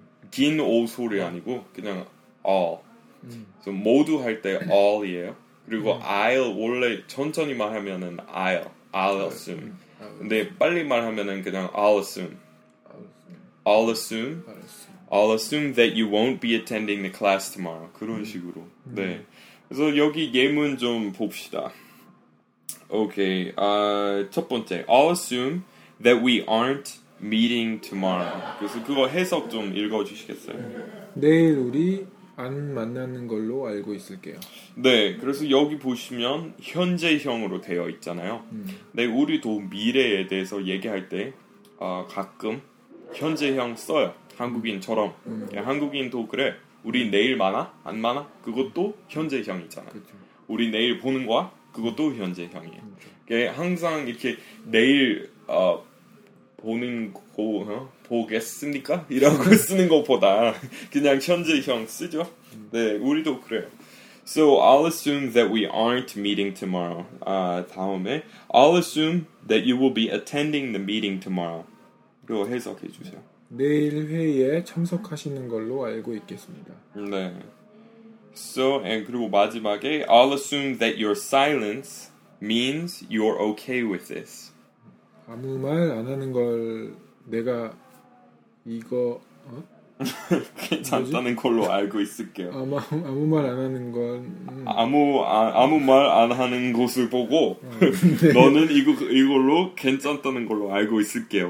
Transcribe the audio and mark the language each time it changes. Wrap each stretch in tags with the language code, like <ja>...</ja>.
<ko>긴 O 소리 아니고 그냥 all.</ko> <en>So</en> <ko>모두 할 때 all이에요. 그리고</ko> <en>I'll</en> <ko>원래 천천히 말하면은</ko> <en>I'll assume.</en> <ko>근데 빨리 말하면은 그냥</ko> <en>I'll assume that you won't be attending the class tomorrow.</en> <ko>그런 식으로. 네. 그래서 여기 예문 좀 봅시다.</ko> <en>Okay.</en> <ko>첫 번째.</ko> <en>I'll assume that we aren't meeting tomorrow.</en> <ko>그래서 그거 해석 좀 읽어주시겠어요? 내일 우리 안 만나는 걸로 알고 있을게요. 네, 그래서 여기 보시면 현재형으로 되어 있잖아요. 네, 우리도 미래에 대해서 얘기할 때 가끔 현재형 써요. 한국인처럼. 야, 한국인도 그래. 우리 내일 만나? 안 만나? 그것도 현재형이잖아요. 그쵸. 우리 내일 보는 거야? 그것도 현재형이에요. 그러니까 항상 이렇게 내일 보는 거 보겠습니까? 이라고 쓰는 것보다 그냥 현재형 쓰죠? 네, 우리도 그래요.</ko> <en>So I'll assume that we aren't meeting tomorrow.</en> <ko>다음에</ko> <en>I'll assume that you will be attending the meeting tomorrow.</en> <ko>그거 해석해 주세요. 내일 회의에 참석하시는 걸로 알고 있겠습니다. 네.</ko> <en>So, and</en> <ko>그리고 마지막에</ko> <en>I'll assume that your silence means you're okay with this.</en> <ko>아무 말 안 하는 걸 내가 이거 괜찮다는 뭐지? 걸로 알고 있을게요. 아무 말 안 하는 건 아무 말 안 하는 것을 보고 네. 너는 이걸로 괜찮다는 걸로 알고 있을게요.</ko>